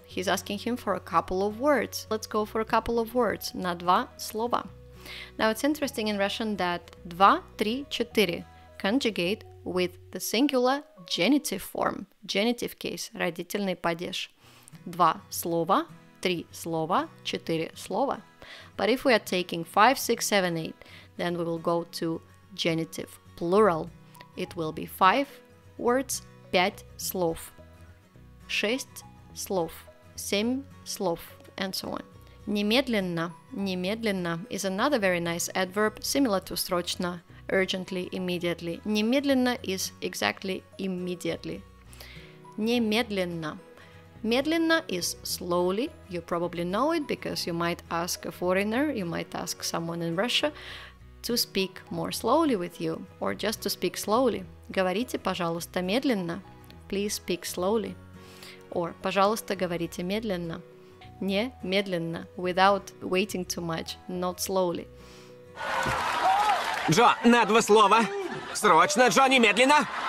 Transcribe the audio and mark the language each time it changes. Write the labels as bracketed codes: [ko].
[en] He's asking him for a couple of words. Let's go for a couple of words. [ru] На два слова. [en] Now, it's interesting in Russian that два, три, четыре conjugate with the singular genitive form, genitive case, родительный падеж. [ru] Два слова, три слова, четыре слова. [en] But if we are taking 5, 6, 7, 8, then we will go to genitive plural. It will be 5 words, 5 слов, 6 слов, 7 слов, and so on. Немедленно, немедленно is another very nice adverb, similar to срочно, urgently, immediately. Немедленно is exactly immediately. Немедленно. Медленно is slowly. You probably know it because you might ask a foreigner, you might ask someone in Russia to speak more slowly with you or just to speak slowly. [ru] Говорите, пожалуйста, медленно. [en] Please speak slowly. [ru] Or, пожалуйста, говорите медленно. [en] Не медленно. Without waiting too much. Not slowly. [ru] Джо, на два слова. Срочно, Джо, немедленно.